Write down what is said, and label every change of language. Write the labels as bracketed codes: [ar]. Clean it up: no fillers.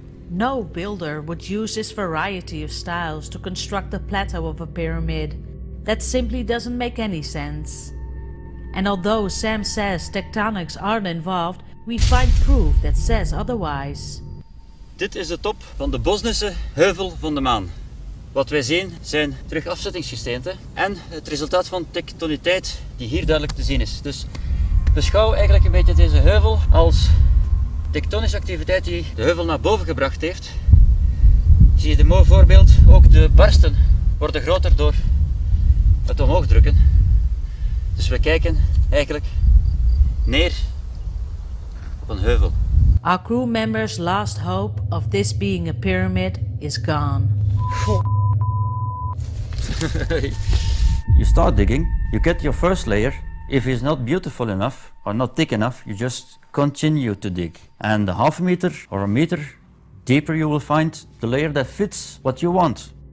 [en] No builder would use this variety of styles to construct the plateau of a pyramid. That simply doesn't make any sense. And although Sam says tectonics aren't involved, we find proof that says otherwise. [nl] Dit is de top van de Bosnische heuvel van de maan. Wat wij zien zijn terugafzettingsgesteenten en het resultaat van tektoniteit die hier duidelijk te zien is. Dus beschouw eigenlijk een beetje deze heuvel als tektonische activiteit die de heuvel naar boven gebracht heeft. Zie je de mooi voorbeeld, ook de barsten worden groter door het omhoog drukken. Dus we kijken eigenlijk neer op een heuvel. [en] Our crew members' last hope of this being a pyramid is gone. You start digging, you get your first layer. If it's not beautiful enough or not thick enough, you just continue to dig. And a half a meter or a meter deeper, you will find the layer that fits what you want.